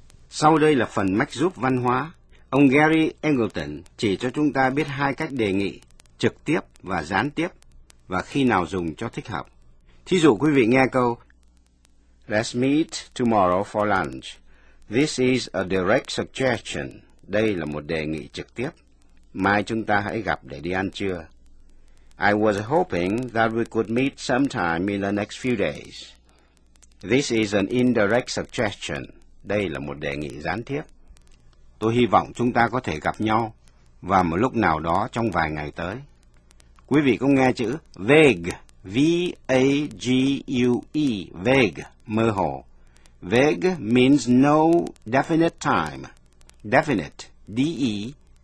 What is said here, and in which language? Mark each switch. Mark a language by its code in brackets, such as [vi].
[vi] Sau đây là phần mách giúp văn hóa. Ông Gary Angleton chỉ cho chúng ta biết hai cách đề nghị, trực tiếp và gián tiếp, và khi nào dùng cho thích hợp. Thí dụ quý vị nghe câu [en] Let's meet tomorrow for lunch. This is a direct suggestion. [vi] Đây là một đề nghị trực tiếp. Mai chúng ta hãy gặp để đi ăn trưa. [en] I was hoping that we could meet sometime in the next few days. This is an indirect suggestion. [vi] Đây là một đề nghị gián tiếp. Tôi hy vọng chúng ta có thể gặp nhau vào một lúc nào đó trong vài ngày tới. Quý vị cũng nghe chữ vague, V-A-G-U-E, vague, mơ hồ. [en] Vague means no definite time. Definite, D-E-F-I-N-I-T-E.